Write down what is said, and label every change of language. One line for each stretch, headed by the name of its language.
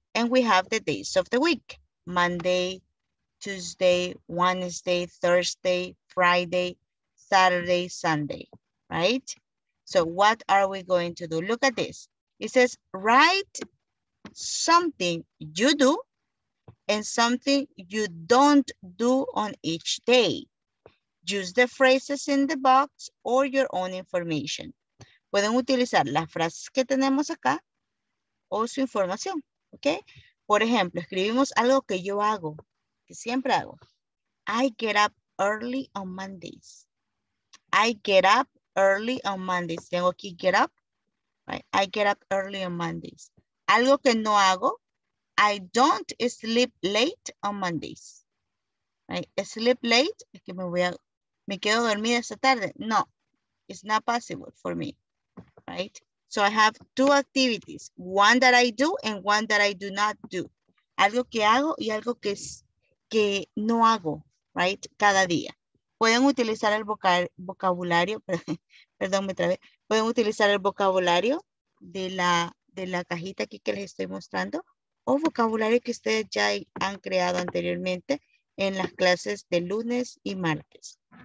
English: And we have the days of the week, Monday, Tuesday, Wednesday, Thursday, Friday, Saturday, Sunday, right? So what are we going to do? Look at this. It says, write something you do and something you don't do on each day. Use the phrases in the box or your own information.
Spanish: Pueden utilizar las frases que tenemos acá o su información, ¿ok? Por ejemplo, escribimos algo que yo hago, que siempre hago.
English: I get up early on Mondays. I get up early on Mondays.
Spanish: Tengo aquí
English: get up. I get up early on Mondays.
Spanish: Algo que no hago.
English: I don't sleep late on Mondays. Right? Sleep late
Spanish: es que me quedo dormida esta tarde.
English: No, it's not possible for me. Right? So I have two activities. One that I do and one that I do not do.
Spanish: Algo que hago y algo que no hago. Right? Cada día. Pueden utilizar el vocabulario. Perdón, me trabé. Pueden utilizar el vocabulario de la cajita aquí que les estoy mostrando o vocabulario que ustedes ya han creado anteriormente en las clases de lunes y martes.